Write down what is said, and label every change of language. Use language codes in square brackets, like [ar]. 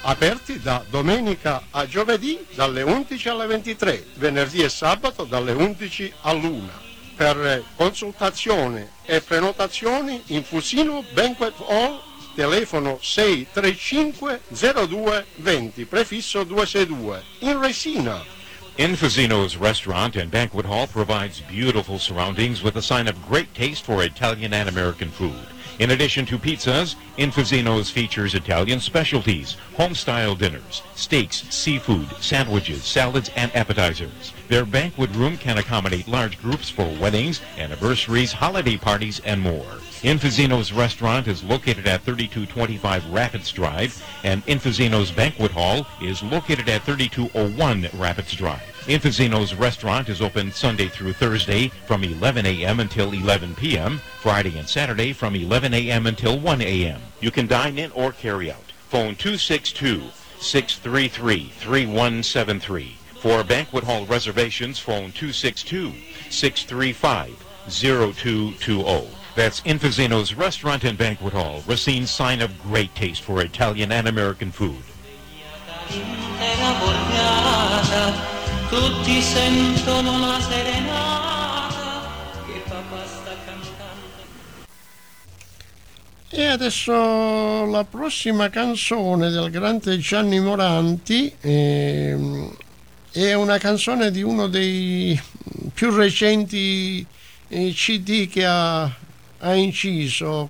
[it] Aperti da domenica a giovedì dalle 11 alle 23, venerdì e sabato dalle 11 all'1. Per consultazione e prenotazioni in Fusino Banquet Hall, telefono 635-0220, prefisso 262, in Resina. [en] In Fusino's restaurant and banquet hall provides beautiful surroundings with a sign of great taste for Italian and American food. In addition to pizzas, Infusino's features Italian specialties, home-style dinners, steaks, seafood, sandwiches, salads, and appetizers. Their banquet room can accommodate large groups for weddings, anniversaries, holiday parties, and more. Infusino's restaurant is located at 3225 Rapids Drive, and Infusino's banquet hall is located at 3201 Rapids Drive. Infusino's restaurant is open Sunday through Thursday from 11 a.m. until 11 p.m., Friday and Saturday from 11 a.m. until 1 a.m. You can dine in or carry out. Phone 262-633-3173. For banquet hall reservations, phone 262-635-0220. That's Infusino's restaurant and banquet hall, Racine's sign of great taste for Italian and American food. [it] Tutti sentono la serenata che papà sta cantando. E adesso la prossima canzone del grande Gianni Morandi è una canzone di uno dei più recenti CD che ha inciso.